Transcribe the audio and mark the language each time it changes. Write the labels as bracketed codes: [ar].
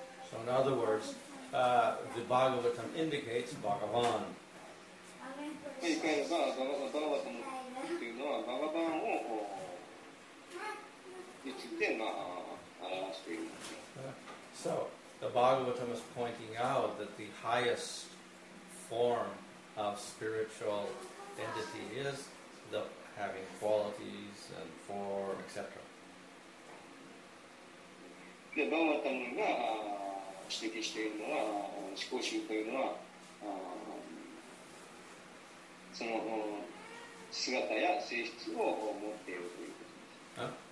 [en] So in other words, the Bhagavatam indicates Bhagavan. [ja] 言い換えれば、バーガタムというのは、バーガバンを、について、表している。 [en] So,The Bhagavatam is pointing out that the highest form of spiritual entity is the having qualities and form, etc. The Bhagavatam is pointing out that the highest form of spiritual entity is the